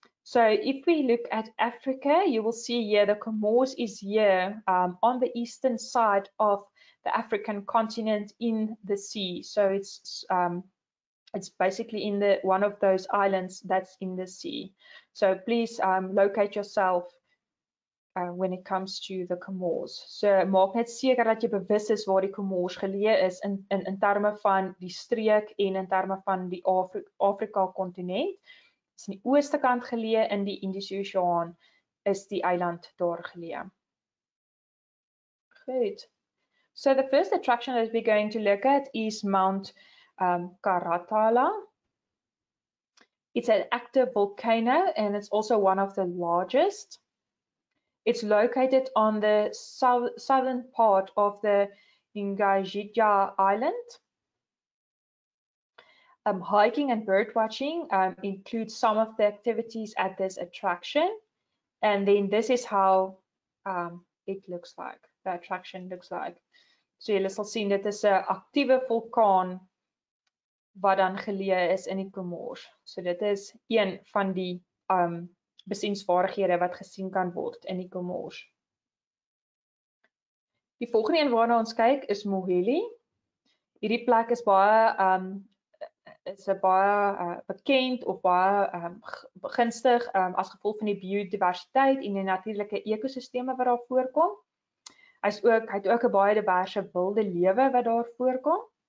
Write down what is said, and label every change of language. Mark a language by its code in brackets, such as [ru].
[en] So if we look at Africa, you will see here the Comoros is here on the eastern side of the African continent in the sea. So it's basically in the one of those islands that's in the sea. So please locate yourself when it comes to the Comoros. [af] So maak net seker dat jy bewus is waar die Comoros geleë is in terme van die streek en in terme van die Afrika kontinent. Is in die ooste kant geleë in die Indiese Oseaan is die eiland daar geleë. Goed. [en] So the first attraction that we're going to look at is Mount Karatala. It's an active volcano and it's also one of the largest. It's located on the southern part of the Ngadjidja Island. Hiking and bird watching include some of the activities at this attraction. And then this is how it looks like, the attraction looks like. So you will see that it's an active [af] vulkaan wat dan geleë is in die Comoros. So dit is een van die besienswaardighede wat gesien kan word in die Comoros. Die volgende een waarna ons kyk is Moheli. Hierdie plek is baie bekend of baie gunstig as gevolg van die biodiversiteit en die natuurlike ekosisteme wat daar voorkom. Hy het ook 'n baie diverse wilde lewe wat daar voorkom.